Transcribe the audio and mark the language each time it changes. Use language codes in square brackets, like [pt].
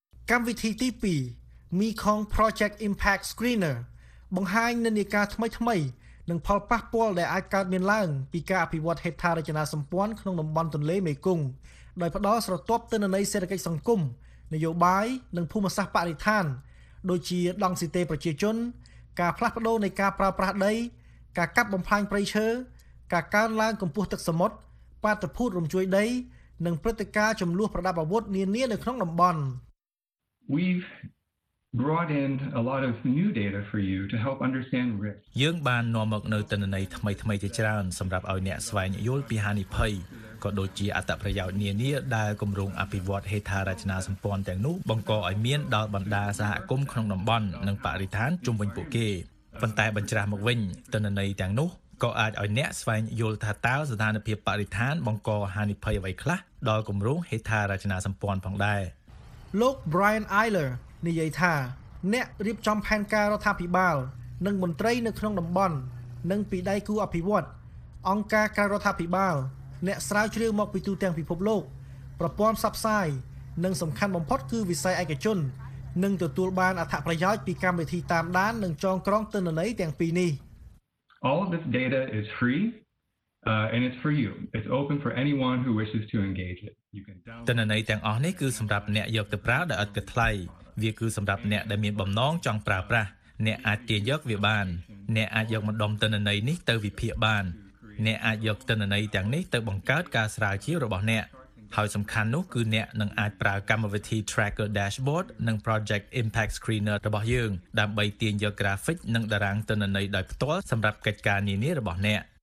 [km] កម្មវិធីទី2 Mekong Project Impact Screener បង្ហាញនិន្នាការថ្មីថ្មីនិងផលប៉ះពាល់ដែលអាចកើតមានឡើងពីការអភិវឌ្ឍហេដ្ឋារចនាសម្ព័ន្ធក្នុងតំបន់ទន្លេមេគង្គដោយផ្ដល់ស្រទាប់ទិន្នន័យសេដ្ឋកិច្ចសង្គមនយោបាយនិងភូមិសាស្ត្របរិស្ថានដូចជាដង់ស៊ីតេប្រជាជនការផ្លាស់ប្ដូរនៃការប្រើប្រាស់ដីការកាប់បំផ្លាញព្រៃឈើការកើនឡើងកម្ពស់ទឹកសមុទ្របាតុភូតរំជួយដីនិងព្រឹត្តិការណ៍ចំនួនប្រដាប់អាវុធនានានៅក្នុងតំបន់ [en] We've brought in a lot of new data for you to help understand risk [km] យើងបាននាំមកនៅទិន្នន័យថ្មីៗជាច្រើនសម្រាប់ឲ្យអ្នកស្វែងយល់ពីហានិភ័យក៏ដូចជាអត្ថប្រយោជន៍នានាដែលគម្រោងអភិវឌ្ឍហេដ្ឋារចនាសម្ព័ន្ធទាំងនោះបង្កឲ្យមានដល់បណ្ដាសហគមន៍ក្នុងតំបន់និងបរិស្ថានជុំវិញពួកគេប៉ុន្តែបញ្ច្រាស់មកវិញទិន្នន័យទាំងនោះក៏អាចឲ្យអ្នកស្វែងយល់ថាតើស្ថានភាពបរិស្ថានបង្កហានិភ័យអ្វីខ្លះដល់គម្រោងហេដ្ឋារចនាសម្ព័ន្ធផងដែរ លោក Brian Eiler និយាយថាអ្នករៀបចំផែនការរដ្ឋាភិបាលនិងមន្ត្រីនៅក្នុងតំបន់និងពីដៃគូអភិវឌ្ឍអង្គការក្រៅរដ្ឋាភិបាលអ្នកស្រាវជ្រាវមកពីទូទាំងពិភពលោកប្រព័ន្ធផ្សព្វផ្សាយនិងសំខាន់បំផុតគឺវិស័យឯកជននឹងទទួលបានអត្ថប្រយោជន៍ពីកម្មវិធីតាមដាននិងចងក្រងទិន្នន័យទាំងពីរនេះ [en] All this data is free and it's for you. It's open for anyone who wishes to engage it. You can [km] ទិន្នន័យទាំងអស់នេះគឺសម្រាប់អ្នកយកទៅប្រើដោយឥតគិតថ្លៃវាគឺសម្រាប់អ្នកដែលមានបំណងចង់ប្រើប្រាស់អ្នកអាចទាញយកវាបានអ្នកអាចយកម្ដុំទិន្នន័យនេះទៅវិភាគបានអ្នកអាចយកទិន្នន័យទាំងនេះទៅបង្កើតការស្រាវជ្រាវរបស់អ្នកហើយសំខាន់នោះគឺអ្នកនឹងអាចប្រើកម្មវិធី Tracker Dashboard និង Project Impact Screener របស់យើងដើម្បីទាញយក Graphic និងតារាងទិន្នន័យដោយផ្ទាល់សម្រាប់កិច្ចការនានារបស់អ្នក